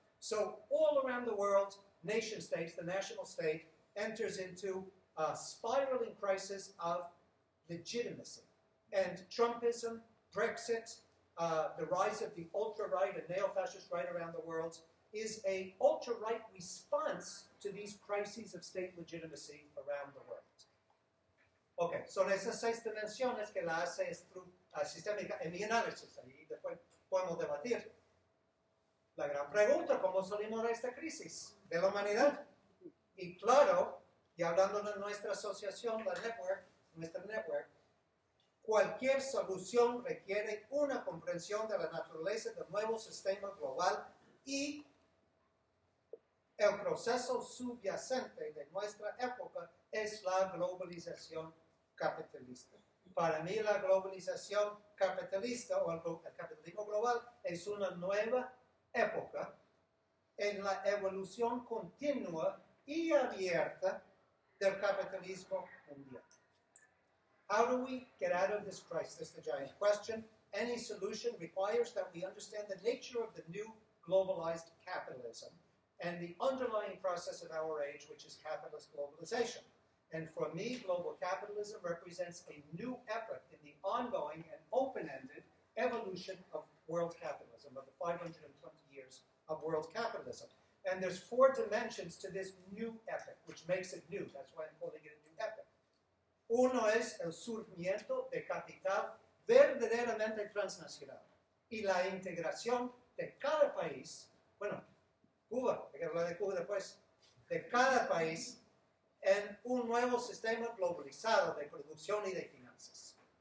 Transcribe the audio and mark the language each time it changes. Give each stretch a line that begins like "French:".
English: So all around the world, nation states, the national state, enters into a spiraling crisis of legitimacy. And Trumpism, Brexit, the rise of the ultra-right and neo-fascist right around the world is a ultra-right response to these crises of state legitimacy around the world.
Spanish: Okay, son esas seis dimensiones que la hace sistémica en mi análisis. Ahí después podemos debatir. La gran pregunta, ¿cómo salimos de esta crisis de la humanidad? Y claro, y hablando de nuestra asociación, nuestra network, cualquier solución requiere una comprensión de la naturaleza del nuevo sistema global y el proceso subyacente de nuestra época es la globalización capitalista. Para mí la globalización capitalista o el capitalismo global es una nueva época en la evolución continua y abierta del capitalismo mundial.
English: How do we get out of this crisis? The giant question. Any solution requires that we understand the nature of the new globalized capitalism and the underlying process of our age, which is capitalist globalization. And for me, global capitalism represents a new effort in the ongoing and open-ended evolution of world capitalism, of the 520 years of world capitalism. And there's four dimensions to this new epoch, which makes it new. That's why I'm calling it a new epoch.
Spanish: Uno es el surgimiento de capital verdaderamente transnacional y la integración de cada país, bueno, Cuba, hay que hablar de Cuba después, de cada país en un nuevo sistema globalizado de producción y de finanzas.